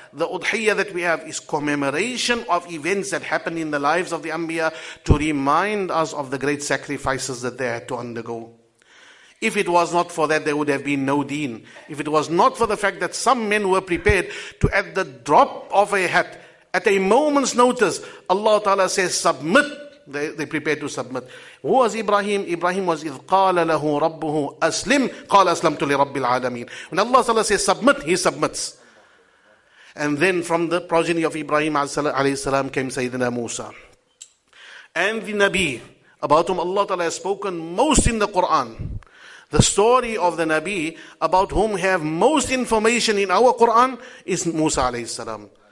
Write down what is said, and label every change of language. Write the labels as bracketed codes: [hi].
[en] The Udhiyya that we have is commemoration of events that happened in the lives of the Anbiya to remind us of the great sacrifices that they had to undergo. If it was not for that, there would have been no deen. If it was not for the fact that some men were prepared to, at the drop of a hat, at a moment's notice, Allah Ta'ala says, submit. They prepared to submit. Who was Ibrahim? Ibrahim was, [ar] إِذْ قَالَ لَهُ رَبُّهُ أَسْلِمْ قَالَ أَسْلَمْتُ لِرَبِّ الْعَالَمِينَ. [en] When Allah Ta'ala says, submit, he submits. And then from the progeny of Ibrahim alayhi salam came Sayyidina Musa. And the Nabi, about whom Allah Ta'ala has spoken most in the Quran, the story of the Nabi about whom we have most information in our Quran is Musa alayhi salam.